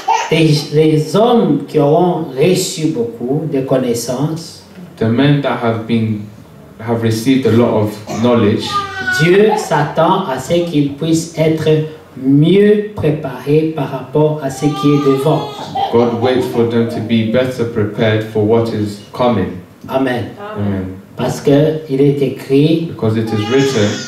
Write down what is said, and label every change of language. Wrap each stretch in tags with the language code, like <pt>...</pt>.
<fr>Les hommes qui auront reçu beaucoup de connaissances.</fr> <en>The men that have received a lot of knowledge.</en> <fr>Dieu s'attend à ce qu'ils puissent être mieux préparé par rapport à ce qui est devant.</fr> <en>God waits for them to be better prepared for what is coming. Amen. Amen.</en> <fr>Parce que il est écrit,</fr> <en>because it is written,</en>